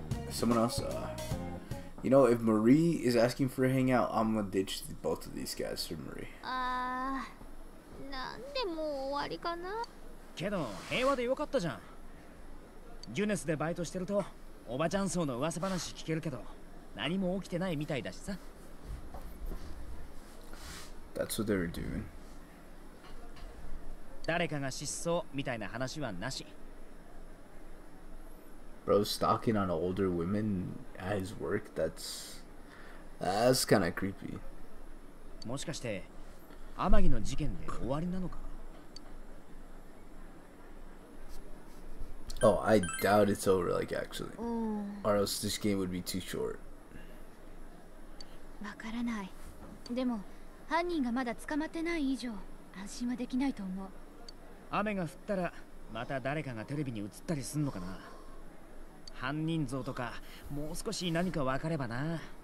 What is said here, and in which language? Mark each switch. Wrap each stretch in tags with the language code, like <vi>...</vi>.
<en>Someone else, you know, if Marie is asking for a hangout, I'm gonna ditch both of these guys for Marie.</en> <ja>もう終わりかな。けど平和でよかったじゃん。ジュネスでバイトしてるとおばちゃん層の噂話聞けるけど、何も起きてないみたいだしさ。</ja> <en>That's what they were doing。</en> <ja>誰かが失踪みたいな話はなし。</ja> <en>Bro stalking on older women at his work, that's kind of creepy。</en> <ja>もしかして天城の事件で終わりなのか。</ja> <en>Oh, I doubt it's over, like, actually. Or else this game would be too short.</en> <ja>わからない。でも、犯人がまだ捕まってない以上、安心はできないと思う。雨が降ったら、また誰かがテレビに映ったりすんのかな。犯人像とか、もう少し何かわかればな。</ja>